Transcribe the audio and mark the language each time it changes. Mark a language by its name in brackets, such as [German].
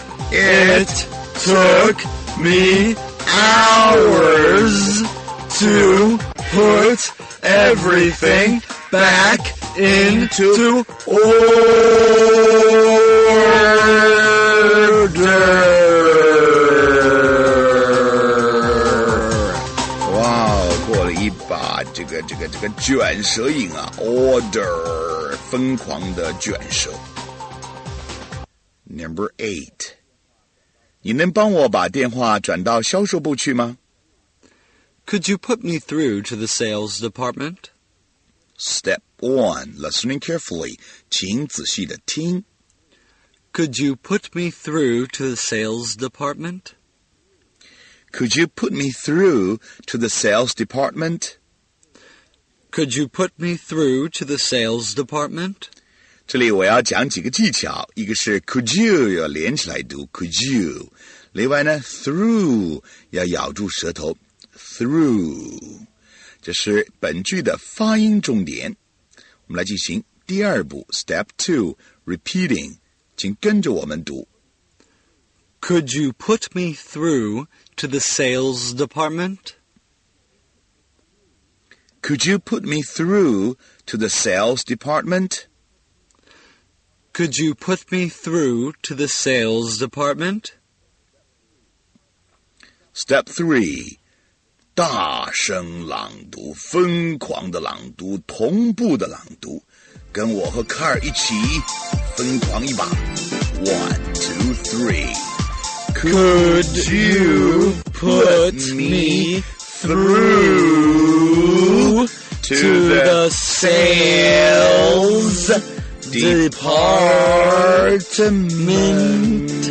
[English] It took me hours to put everything back into order. [Chinese] Wow, 过了一把这个卷舌音啊 ,order, 疯狂的卷舌。 [English] Number 8. [Chinese] 你能帮我把电话转到销售部去吗? [English] Could you put me through to the sales department? Step 1. Listening carefully. [Chinese] 请仔细地听。 [English] Could you put me through to the sales department? Could you put me through to the sales department? Could you put me through to the sales department? [Chinese] 这里我要讲几个技巧。一个是 [English] could you, [Chinese] 要连起来读 could you. 另外呢 through 要咬住舌头 through 这是本句的发音重点我们来进行第二步 [English] step 2 repeating [Chinese] 请跟着我们读 [English] Could you put me through to the sales department? Could you put me through to the sales department? Could you put me through to the sales department Step 3, [Chinese] 大声朗读，疯狂的朗读，同步的朗读，跟我和卡尔一起疯狂一把。 [English] One, two, three. Could you put me through to the sales department?